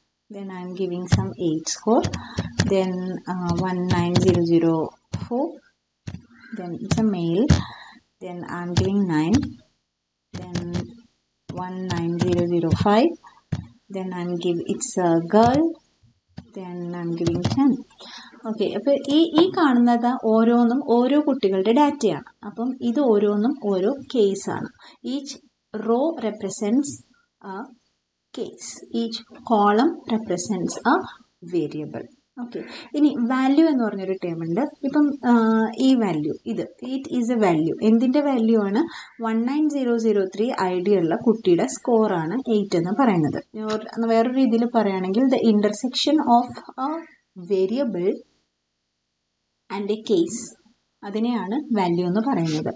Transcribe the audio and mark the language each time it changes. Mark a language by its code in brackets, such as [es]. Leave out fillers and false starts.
[en] Then I am giving some 8 score. Then 19004. Then it's a male. Then I am giving 9. Then 19005. Then I am giving, it's a girl. Then I am giving 10. [ml] Okay, അപ്പോൾ ഈ കാണുന്നത് ഓരോന്നും ഓരോ കുട്ടികളുടെ ഡാറ്റയാണ്. അപ്പം ഇത് ഓരോന്നും ഓരോ കേസാണ്. [en] Each row represents a case, each column represents a variable. [ml] Okay, ഇനി വാല്യൂ എന്ന് പറഞ്ഞൊരു ടേം ഉണ്ട്. ഇപ്പം ഈ വാല്യൂ, ഇത് [en] It is a value. [ml] എന്തിൻ്റെ വാല്യൂ ആണ്? 19003 ഐ ഡി ഉള്ള കുട്ടിയുടെ സ്കോർ ആണ് 8 എന്ന് പറയുന്നത്. വേറൊരു രീതിയിൽ പറയുകയാണെങ്കിൽ [en] the intersection of a variable and a case, [ml] അതിനെയാണ് വാല്യൂ എന്ന് പറയുന്നത്.